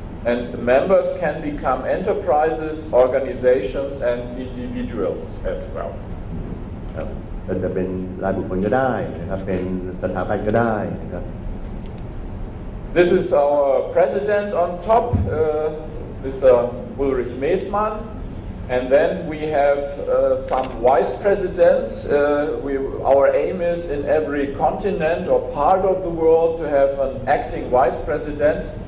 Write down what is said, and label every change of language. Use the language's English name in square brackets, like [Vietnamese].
[English] And the members can become enterprises, organizations, and individuals as well. [Thai] ครับจะเป็นรายบุคคลก็ได้นะครับเป็นสถาบันก็ได้นะครับ [English] This is our president on top, Mr. Ulrich Mesmann. And then we have some vice presidents. Our aim is in every continent or part of the world to have an acting vice president.